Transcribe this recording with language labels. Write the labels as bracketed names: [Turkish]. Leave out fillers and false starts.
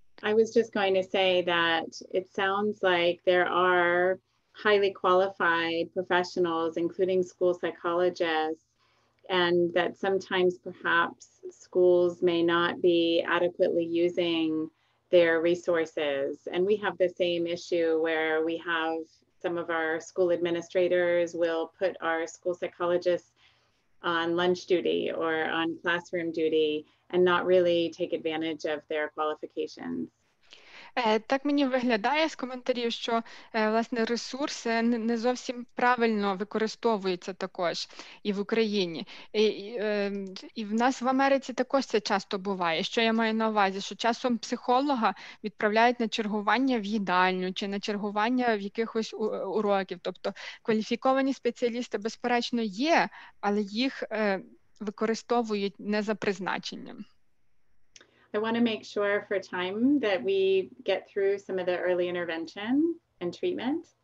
[English] I was just going to say that it sounds like there are highly qualified professionals, including school psychologists, and that sometimes perhaps schools may not be adequately using their resources. And we have the same issue where we have some of our school administrators will put our school psychologists on lunch duty or on classroom duty and not really take advantage of their qualifications. [Ukrainian] Так мені виглядає з коментарів, що власне ресурси не зовсім правильно використовуються також і в Україні. І в нас в Америці також це часто буває. Що я маю на увазі? Що часом психолога відправляють на чергування в їдальню чи на чергування в якихось уроків. Тобто кваліфіковані спеціалісти, безперечно, є, але їх використовують не за призначенням. [English] I want to make sure for time that we get through some of the early intervention and treatment.